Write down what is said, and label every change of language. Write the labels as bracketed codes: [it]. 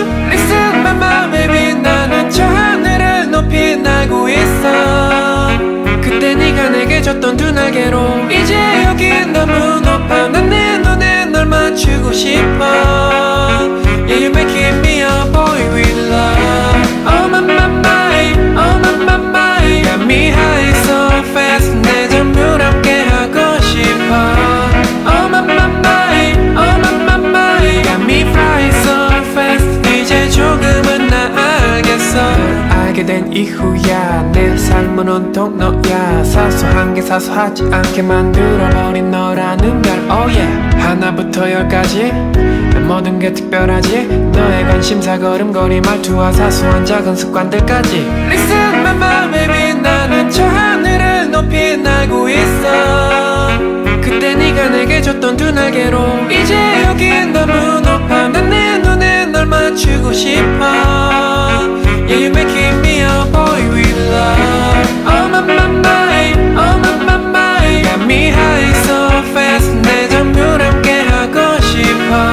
[ko] Listen, 내 맘에 빛나는 저 하늘을 높이 날고 있어. 그때 네가 내게 줬던 두 날개로 이제 여기 너무 높아. 난 내 눈에 널 맞추고 싶어. [en] Yeah, you're making me a boy with love. Oh my my my, oh my my my. Got me high so fast. [ko] 내 전부를 함께 하고 싶어. [en] Oh my my my, oh my my my. Got me fly so fast. [ko] 이제 조금은 나 알겠어. 알게 된 이후야 내 삶은 온통 너야. 사소한 게 사소하지 않게 만들어버린 너라는 별. Oh yeah, 하나부터 열까지 모든 게 특별하지. 너의 관심사, 걸음걸이, 말투와 사소한 작은 습관들까지. Listen, 내 맘에 빛나는 저 하늘을 높이 날고 있어. 그때 네가 내게 줬던 두 날개로 이제 여기 너무 높아. 난 내 눈에 널 맞추고 싶어. [en] Yeah, you're making me a boy with love. Oh my my my, oh my my my. Got me high so fast. [ko] 내 전부를 함께 하고 싶어.